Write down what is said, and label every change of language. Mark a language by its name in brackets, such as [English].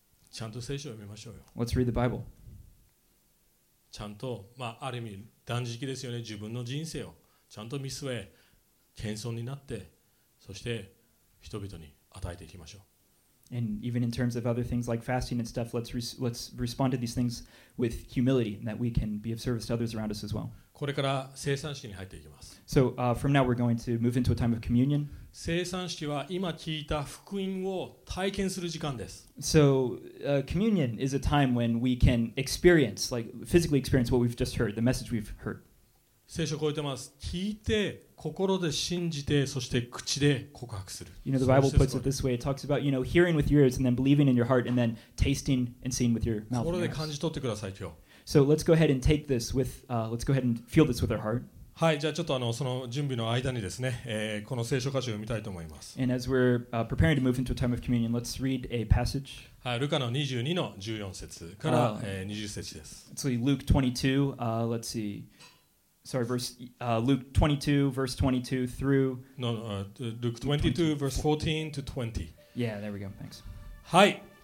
[Japanese] ちゃんと聖書を読みましょうよ。 [English] Let's read the Bible. [Japanese] ちゃんと、まあ、ある意味断食ですよね。自分の人生をちゃんと見据え、謙遜になって、そして人々に与えていきましょう。 [English] And even in terms of other things like fasting and stuff, let's respond to these things with humility, and that we can be of service to others around us as well. [Japanese] これから聖餐式に入っていきます。 [English] So from now we're going to move into a time of communion. [Japanese] 聖餐式は今聞いた福音を体験する時間です。 [English] So communion is a time when we can experience, like physically experience what we've just heard, the message we've heard. [Japanese] 聖書を超えてます。聞いて心で信じて、そして口で告白する。 [English] You know, the Bible puts it this way. It talks about, you know, hearing with your ears and then believing in your heart and then tasting and seeing with your mouth. [Japanese] 心で感じ取ってください、今日。 [English] So let's go ahead and take this with, let's go ahead and feel this with our heart. [Japanese] はい、じゃあちょっとその準備の間にですね、この聖書箇所を読みたいと思います。 [English] And as we're preparing to move into a time of communion, let's read a passage. [Japanese] はい、ルカの22の14節から20節です。 [English] So Luke 22, let's see. Sorry, Luke 22, verse 22 through... No, Luke 22, verse 14 to 20. Yeah, there we go. Thanks. [Japanese] はい。